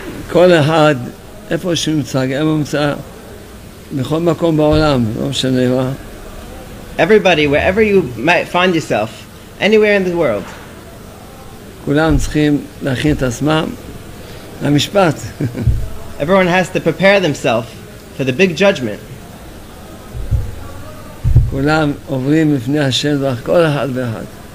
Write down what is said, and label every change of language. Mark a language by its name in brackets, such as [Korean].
[Hebrew] כל אחד, איפה שהוא נמצא, גם הוא נמצא בכל מקום בעולם, לא משנה מה. [English] Everybody, wherever you might find yourself, anywhere in the world. [Hebrew] כולם צריכים להכין את עצמם למשפט. [English] Everyone has to prepare themselves for the big judgment. [Hebrew] כולם עוברים לפני השם, כל אחד ואחד.